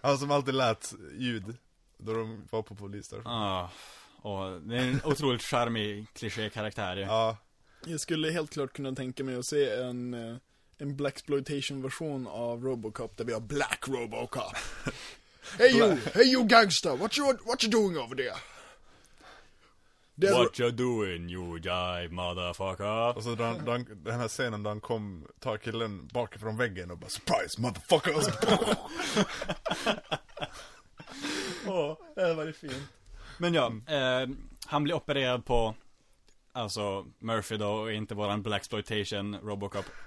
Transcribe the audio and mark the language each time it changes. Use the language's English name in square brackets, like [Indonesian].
[Swedish] Han som alltid lät ljud då de var på polisstationen. Ja, och det är en otroligt charmig klischékaraktär. Ja. Jag skulle helt klart kunna tänka mig att se en Blaxploitation-version av Robocop där vi har Black Robocop. [English] Hey you, hey you gangster, what you doing over there? What you doing, you guy motherfucker? [Swedish] Och så den här scenen där han kom, tar killen bakifrån väggen och bara, [English] surprise, motherfuckers! [Swedish] Åh, det var ju fint. Men ja, han blir opererad på, alltså, Murphy då, och inte våran Blaxploitation Robocop.